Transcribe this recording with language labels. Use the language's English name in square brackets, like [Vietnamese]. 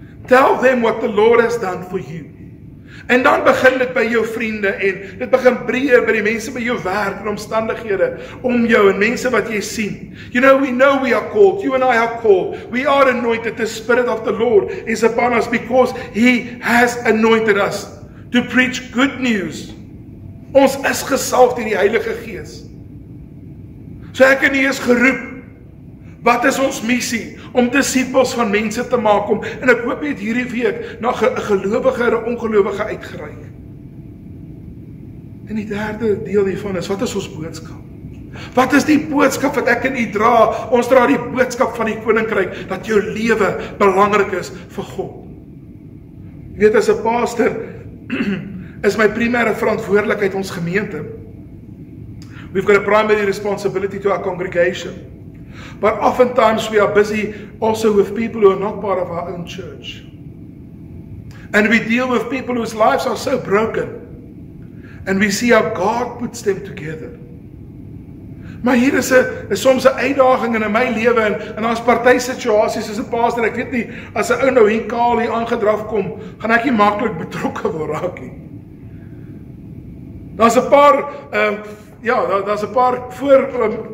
[English] Tell them what the Lord has done for you. [Afrikaans] En dan begin dit by jou vriende en dit begin breër by die mense by jou werk en omstandighede om jou en mense wat jy sien. [English] You know we are called, you and I are called. We are anointed, the spirit of the Lord is upon us because he has anointed us to preach good news. [Afrikaans] Ons is gesalf deur die Heilige Gees. So ek en jy is geroep. Wat is ons missie? Om disippels van mense te maak om, en ek hoop jy het hierdie week na 'n gelowige of 'n ongelowige uitgereik. En die derde deel hiervan is, wat is ons boodskap? Wat is die boodskap wat ek en u dra? Ons dra die boodskap van die koninkryk dat jou lewe belangrik is vir God. Jy weet as 'n pastor is my primêre verantwoordelikheid ons gemeente. [English] We've got a primary responsibility to our congregation. But oftentimes we are busy also with people who are not part of our own church. And we deal with people whose lives are so broken. And we see how God puts them together. [Afrikaans] Maar hier is soms 'n uitdaging in my lewe en daar's party situasies soos 'n pastor, ek weet nie, as 'n ou nou hier kaal hier aangedraf kom, gaan ek nie maklik betrokke word raak nie. Daar's 'n paar, daar's 'n paar voor...